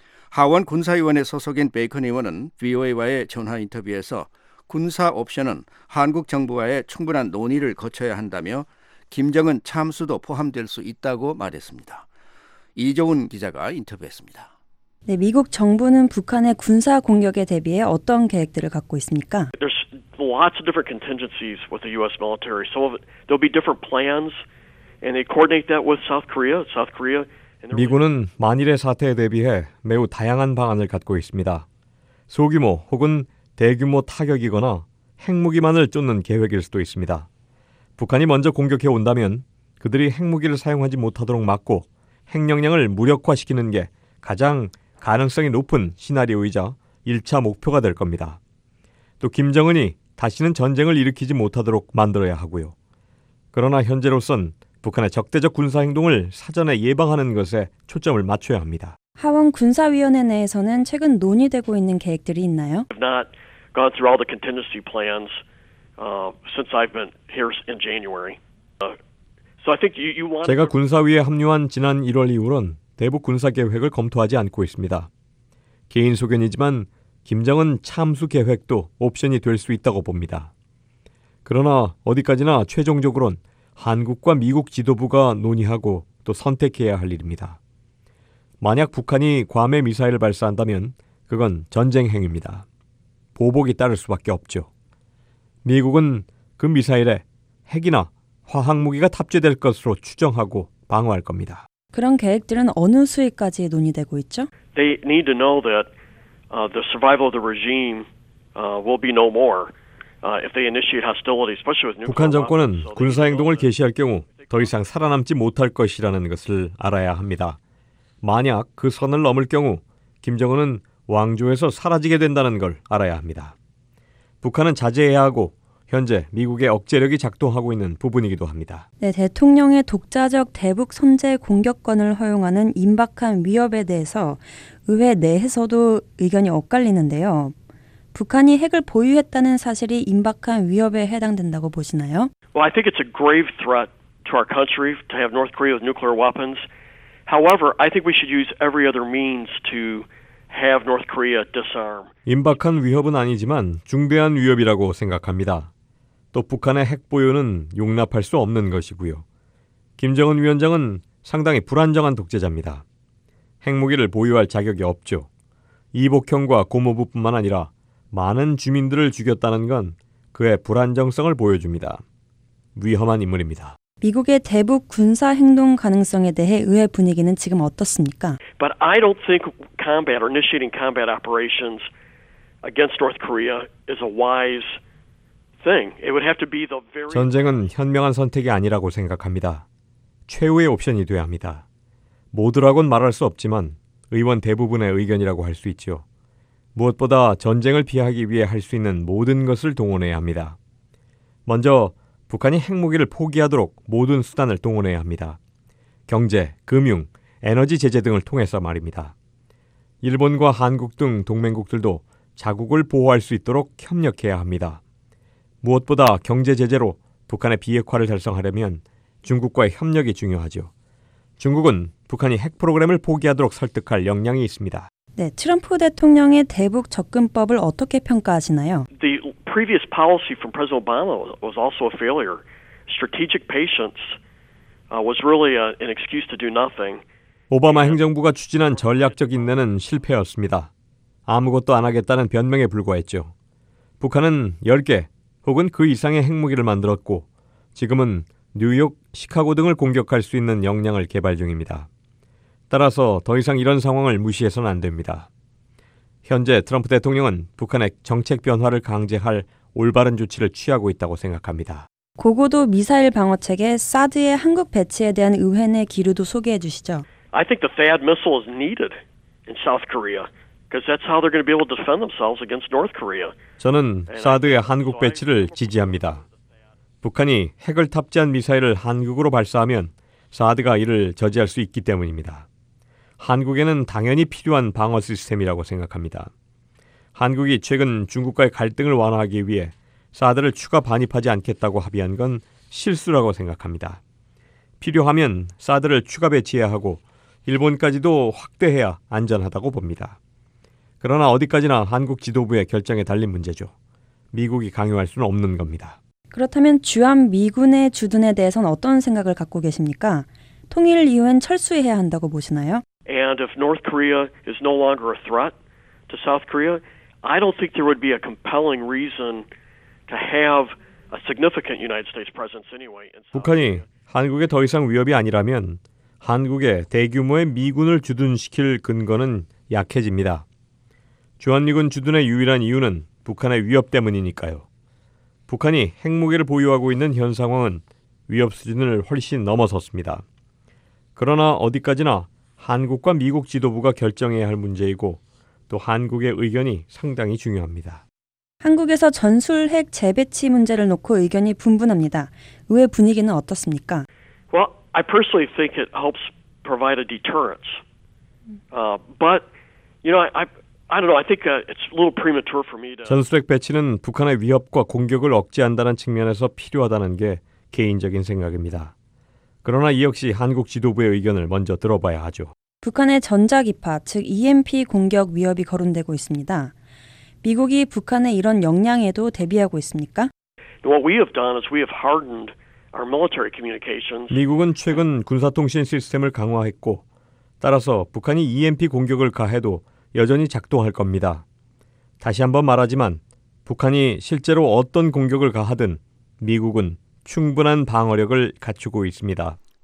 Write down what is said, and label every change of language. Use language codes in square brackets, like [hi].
[ko] 하원 군사위원회 소속인 베이컨 의원은 VOA와의 전화 인터뷰에서 군사 옵션은 한국 정부와의 충분한 논의를 거쳐야 한다며 김정은 참수도 포함될 수 있다고 말했습니다. 이정훈 기자가 인터뷰했습니다. 네, 미국 정부는 북한의 군사 공격에 대비해 어떤 계획들을 갖고 있습니까? [en] There's lots of different contingencies with the U.S. military. So there'll be different plans, and they coordinate that with South Korea. South Korea. [ko] 미군은 만일의 사태에 대비해 매우 다양한 방안을 갖고 있습니다. 소규모 혹은 대규모 타격이거나 핵무기만을 쫓는 계획일 수도 있습니다. 북한이 먼저 공격해 온다면 그들이 핵무기를 사용하지 못하도록 막고 핵 역량을 무력화시키는 게 가장 가능성이 높은 시나리오이자 1차 목표가 될 겁니다. 또 김정은이 다시는 전쟁을 일으키지 못하도록 만들어야 하고요. 그러나 현재로선 북한의 적대적 군사행동을 사전에 예방하는 것에 초점을 맞춰야 합니다. 하원 군사위원회 내에서는 최근 논의되고 있는 계획들이 있나요? [en] I've not gone through all the contingency plans since I've been here in January. So I think you want [ko] 제가 군사위에 합류한 지난 1월 이후로는 대북 군사 계획을 검토하지 않고 있습니다. 개인 소견이지만 김정은 참수 계획도 옵션이 될 수 있다고 봅니다. 그러나 어디까지나 최종적으로는 한국과 미국 지도부가 논의하고 또 선택해야 할 일입니다. 만약 북한이 괌에 미사일을 발사한다면 그건 전쟁 행위입니다. 보복이 따를 수밖에 없죠. 미국은 그 미사일에 핵이나 화학무기가 탑재될 것으로 추정하고 방어할 겁니다. 그런 계획들은 어느 수위까지 논의되고 있죠? [en] They need to know that the survival of the regime will be no more if they initiate hostilities, especially with nuclear. [ko] 북한 정권은 군사 행동을 개시할 경우 더 이상 살아남지 못할 것이라는 것을 알아야 합니다. 만약 그 선을 넘을 경우 김정은은 왕조에서 사라지게 된다는 걸 알아야 합니다. 북한은 자제해야 하고 현재 미국의 억제력이 작동하고 있는 부분이기도 합니다. 네, 대통령의 독자적 대북 선제 공격권을 허용하는 임박한 위협에 대해서 의회 내에서도 의견이 엇갈리는데요. 북한이 핵을 보유했다는 사실이 임박한 위협에 해당된다고 보시나요? [en] Well, I think it's a grave threat to our country to have North Korea with nuclear weapons. However, I think we should use every other means to have North Korea disarm. [ko] 임박한 위협은 아니지만 중대한 위협이라고 생각합니다. 또 북한의 핵 보유는 용납할 수 없는 것이고요. 김정은 위원장은 상당히 불안정한 독재자입니다. 핵무기를 보유할 자격이 없죠. 이복형과 고모부뿐만 아니라 많은 주민들을 죽였다는 건 그의 불안정성을 보여줍니다. 위험한 인물입니다. 미국의 대북 군사 행동 가능성에 대해 의회 분위기는 지금 어떻습니까? [en] But I don't think combat or initiating combat operations against North Korea is a wise thing. It would have to be the very [ko] 전쟁은 현명한 선택이 아니라고 생각합니다. 최후의 옵션이 돼야 합니다. 모두라고는 말할 수 없지만 의원 대부분의 의견이라고 할 수 있죠. 무엇보다 전쟁을 피하기 위해 할 수 있는 모든 것을 동원해야 합니다. 먼저 북한이 핵무기를 포기하도록 모든 수단을 동원해야 합니다. 경제, 금융, 에너지 제재 등을 통해서 말입니다. 일본과 한국 등 동맹국들도 자국을 보호할 수 있도록 협력해야 합니다. 무엇보다 경제 제재로 북한의 비핵화를 달성하려면 중국과의 협력이 중요하죠. 중국은 북한이 핵 프로그램을 포기하도록 설득할 역량이 있습니다. 네, 트럼프 대통령의 대북 접근법을 어떻게 평가하시나요? [en] The previous policy from President Obama was also a failure. Strategic patience was really an excuse to do nothing. [ko] 오바마 행정부가 추진한 전략적 인내는 실패였습니다. 아무것도 안 하겠다는 변명에 불과했죠. 북한은 10개 혹은 그 이상의 핵무기를 만들었고 지금은 뉴욕, 시카고 등을 공격할 수 있는 역량을 개발 중입니다. 따라서 더 이상 이런 상황을 무시해서는 안 됩니다. 현재 트럼프 대통령은 북한의 정책 변화를 강제할 올바른 조치를 취하고 있다고 생각합니다. 고고도 미사일 방어책에 사드의 한국 배치에 대한 의회 내 기류도 소개해 주시죠. [en] I think the THAAD missile is needed in South Korea. Because that's how they're going to be able to defend themselves against North Korea. [ko] 저는 사드의 한국 배치를 지지합니다. 북한이 핵을 탑재한 미사일을 한국으로 발사하면 사드가 이를 저지할 수 있기 때문입니다. 한국에는 당연히 필요한 방어 시스템이라고 생각합니다. 한국이 최근 중국과의 갈등을 완화하기 위해 사드를 추가 반입하지 않겠다고 합의한 건 실수라고 생각합니다. 필요하면 사드를 추가 배치해야 하고 일본까지도 확대해야 안전하다고 봅니다. 그러나 어디까지나 한국 지도부의 결정에 달린 문제죠. 미국이 강요할 수는 없는 겁니다. 그렇다면 주한 미군의 주둔에 대해서는 어떤 생각을 갖고 계십니까? 통일 이후엔 철수해야 한다고 보시나요? [en] And if North Korea is no longer a threat to South Korea, I don't think there would be a compelling reason to have a significant United States presence anyway. [ko] 북한이 한국에 더 이상 위협이 아니라면 한국에 대규모의 미군을 주둔시킬 근거는 약해집니다. 주한미군 주둔의 유일한 이유는 북한의 위협 때문이니까요. 북한이 핵무기를 보유하고 있는 현 상황은 위협 수준을 훨씬 넘어섰습니다. 그러나 어디까지나 한국과 미국 지도부가 결정해야 할 문제이고 또 한국의 의견이 상당히 중요합니다. 한국에서 전술 핵 재배치 문제를 놓고 의견이 분분합니다. 의회 분위기는 어떻습니까? [en] Well, I personally think it helps provide a deterrence. But, you know, I don't know. I think it's a little premature for me to. [ko] 전술핵 배치는 북한의 위협과 공격을 억제한다는 측면에서 필요하다는 게 개인적인 생각입니다. 그러나 이 역시 한국 지도부의 의견을 먼저 들어봐야 하죠. 북한의 전자기파, 즉 EMP 공격 위협이 거론되고 있습니다. 미국이 북한의 이런 역량에도 대비하고 있습니까? [en] What we have done is we have hardened our military communications. [ko] 미국은 최근 군사통신 시스템을 강화했고, 따라서 북한이 EMP 공격을 가해도 여전히 작동할 겁니다. 다시 한번 말하지만 북한이 실제로 어떤 공격을 가하든 미국은 충분한 방어력을 갖추고 있습니다.